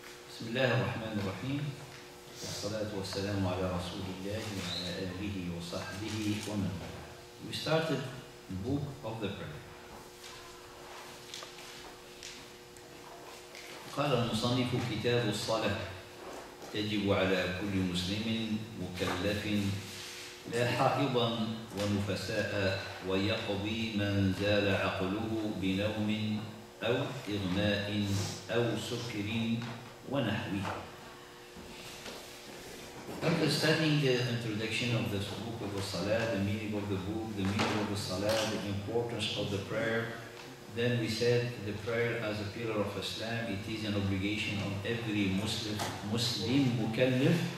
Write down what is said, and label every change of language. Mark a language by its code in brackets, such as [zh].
[ar] بسم الله الرحمن الرحيم، والصلاة والسلام على رسول الله وعلى آله وصحبه ومن والاه. [en] We started the book of the prayer. [ar] قال المصنف: كتاب الصلاة يجب على كل مسلم مكلف لا حائضا ونفساء، ويقضي من زال عقله بنوم أو إغماء أو سكر ونحوه. [en] After studying the introduction of this book of the Salah, the meaning of the book, the meaning of the Salah, the importance of the prayer, then we said the prayer as a pillar of Islam, it is an obligation of every Muslim mukallif.